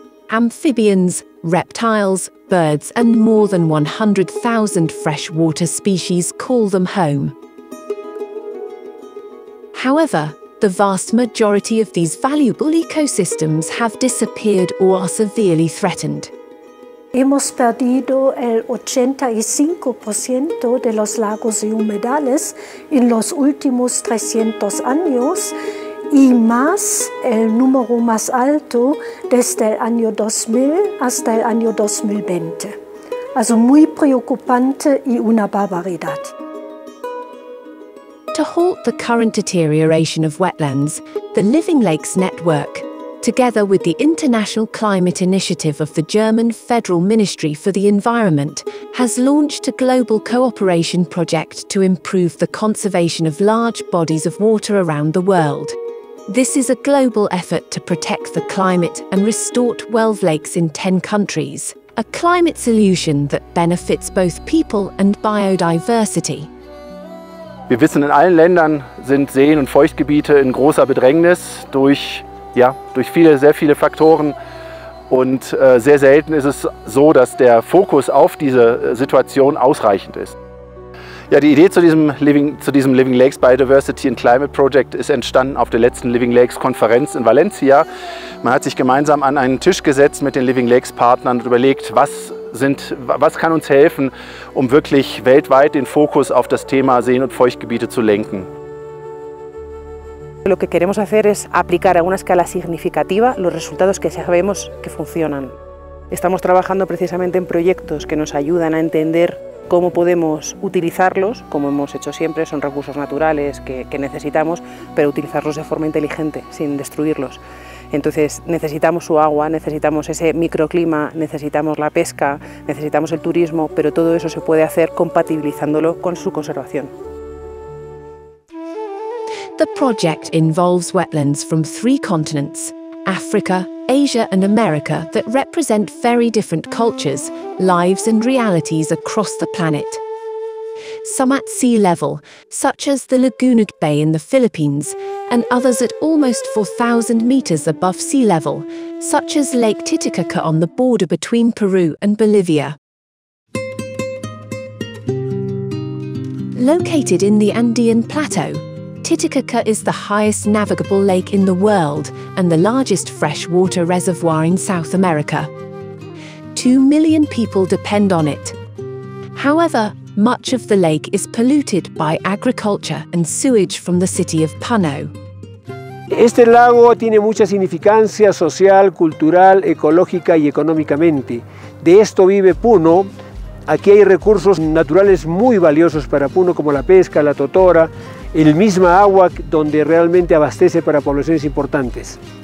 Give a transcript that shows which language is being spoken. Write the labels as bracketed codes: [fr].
[en] Amphibians, reptiles, birds, and more than 100,000 freshwater species call them home. However, the vast majority of these valuable ecosystems have disappeared or are severely threatened. [es] Hemos perdido el 85% de los lagos y humedales en los últimos 300 años y más el número más alto desde el año 2000 hasta el año 2020. Also muy preocupante y una barbaridad. [en] To halt the current deterioration of wetlands, the Living Lakes Network, together with the International Climate Initiative of the German Federal Ministry for the Environment, has launched a global cooperation project to improve the conservation of large bodies of water around the world. This is a global effort to protect the climate and restore 12 lakes in 10 countries, a climate solution that benefits both people and biodiversity. [de] Wir wissen, in allen Ländern sind Seen und Feuchtgebiete in großer Bedrängnis durch, ja, durch viele, sehr viele Faktoren. Und sehr selten ist es so, dass der Fokus auf diese Situation ausreichend ist. Ja, die Idee zu diesem Living Lakes Biodiversity and Climate Project ist entstanden auf der letzten Living Lakes Konferenz in Valencia. Man hat sich gemeinsam an einen Tisch gesetzt mit den Living Lakes Partnern und überlegt, was kann uns helfen, um wirklich weltweit den Fokus auf das Thema Seen- und Feuchtgebiete zu lenken. [es] Lo que queremos hacer es aplicar a una escala significativa los resultados que sabemos que funcionan. Estamos trabajando precisamente en proyectos que nos ayudan a entender cómo podemos utilizarlos, como hemos hecho siempre, son recursos naturales que necesitamos, pero utilizarlos de forma inteligente, sin destruirlos. Entonces necesitamos su agua, necesitamos ese microclima, necesitamos la pesca, necesitamos el turismo, pero todo eso se puede hacer compatibilizándolo con su conservación. [en] The project involves wetlands from three continents, Africa, Asia and America, that represent very different cultures, lives and realities across the planet. Some at sea level, such as the Laguna Bay in the Philippines, and others at almost 4,000 meters above sea level, such as Lake Titicaca on the border between Peru and Bolivia. Located in the Andean Plateau, Titicaca is the highest navigable lake in the world and the largest freshwater reservoir in South America. 2 million people depend on it. However, much of the lake is polluted by agriculture and sewage from the city of Puno. [es] Este lago tiene mucha significancia social, cultural, ecológica y económicamente. De esto vive Puno. Aquí hay recursos naturales muy valiosos para Puno, como la pesca, la totora, el misma agua donde realmente abastece para poblaciones importantes.